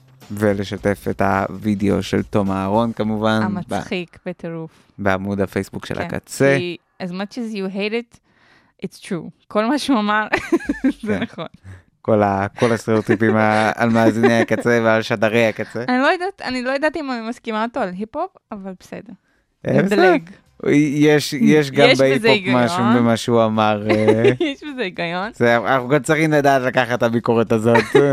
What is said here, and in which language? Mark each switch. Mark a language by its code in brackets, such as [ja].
[he] ולשתף את הוידאו של תום אהרון, כמובן. המצחיק בטירוף. בעמוד הפייסבוק של הקצה. [en] As much as you hate it, it's true. [he] כל מה שהוא אמר, זה נכון. כל הסטריאוטיפים על מאזיני הקצה ועל שדרי הקצה. אני לא יודעת אם אני מסכימה אותו על היפ-הופ, אבל בסדר. יש גם בהיפ-הופ משהו במה שהוא אמר. יש בזה היגיון. אנחנו גם צריכים לדעת לקחת את הביקורת הזאת.